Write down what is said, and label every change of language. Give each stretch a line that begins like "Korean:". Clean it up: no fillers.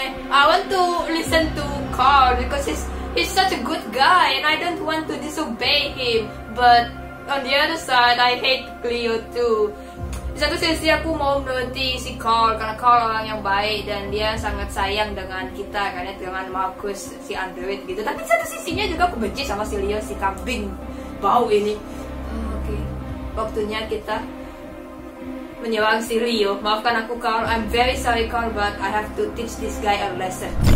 English: I want to listen to Carl because he's such a good guy and I don't want to disobey him. But on the other side, I hate Cleo too.
Indonesian: Di satu sisi aku mau menuruti si Carl karena Carl orang yang baik dan dia sangat sayang dengan kita karena dengan Markus si android gitu. Tapi di satu sisinya juga aku benci sama si Leo si kambing bau ini. Okay. Waktunya kita menyerang si Leo. Maafkan aku Carl,
English: I'm very sorry Carl, but I have to teach this guy a lesson.